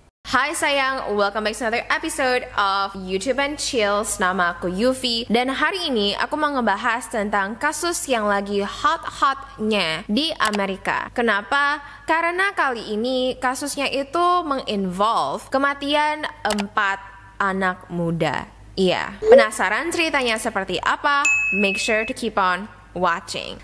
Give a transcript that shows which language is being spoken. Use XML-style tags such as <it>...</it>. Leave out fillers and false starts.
<id>Hai sayang,</id> <en>welcome back to another episode of YouTube and Chills.</en> <id>Nama aku Yufi. Dan hari ini aku mau ngebahas tentang kasus yang lagi hot-hotnya di Amerika. Kenapa? Karena kali ini kasusnya itu menginvolve kematian 4 anak muda. Iya, penasaran ceritanya seperti apa?</id> <en>Make sure to keep on watching.</en>